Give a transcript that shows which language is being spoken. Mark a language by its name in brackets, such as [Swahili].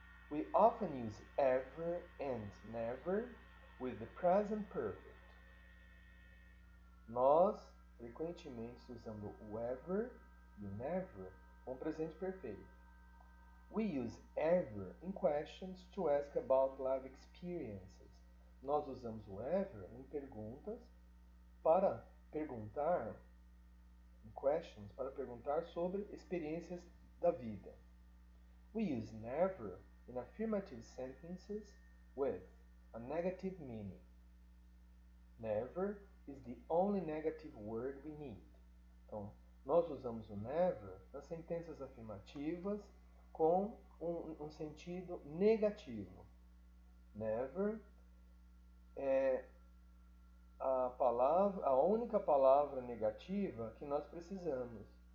[English] We often use ever and never with the present perfect. [Portuguese] Nós frequentemente usamos o ever e o never com o presente perfeito. [English] We use ever in questions to ask about life experiences. [Portuguese] Nós usamos o ever em perguntas para perguntar, [English] in questions, [Portuguese] para perguntar sobre experiências da vida. [English] We use never in affirmative sentences with a negative meaning. Never is the only negative word we need. [Portuguese] Então, nós usamos o never nas sentenças afirmativas com um sentido negativo. Never é a única palavra negativa que nós precisamos.